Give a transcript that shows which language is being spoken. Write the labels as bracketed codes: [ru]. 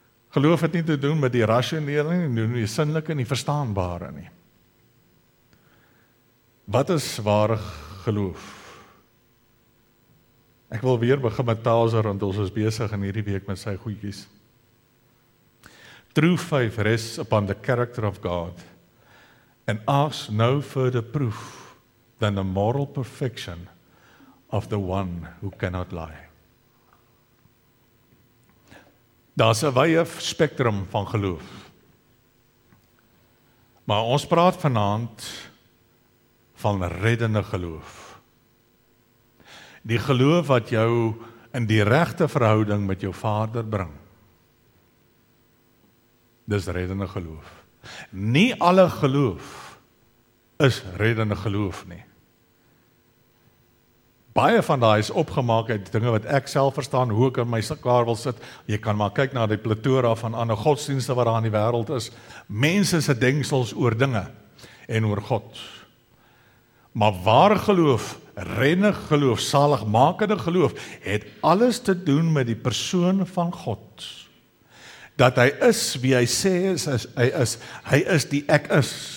[af] Geloof het nie te doen met die rationele nie, die sinlike nie, die verstaanbare nie. Wat is ware geloof? Ek wil weer begin met Tauser, want ons is besig in hierdie week met sy goedjies. [en] True faith rests upon the character of God and asks no further proof than the moral perfection of the one who cannot lie. [af] Daar's 'n wye spektrum van geloof. Maar ons praat vanaand van reddende geloof. Die geloof wat jou in die regte verhouding met jou Vader bring. Dis reddende geloof. Nie alle geloof is reddende geloof nie. Baie van daai is opgemaak uit dinge wat ek self verstaan, hoe ek in my kar wil sit. Jy kan maar kyk na die pletora van ander godsdienste wat daar in die wêreld is. Mense se denksels oor dinge en oor God. Maar ware geloof, reddende geloof, saligmakende geloof, het alles te doen met die persoon van God. Dat hy is wie hy sê is, hy is. Hy is die ek is.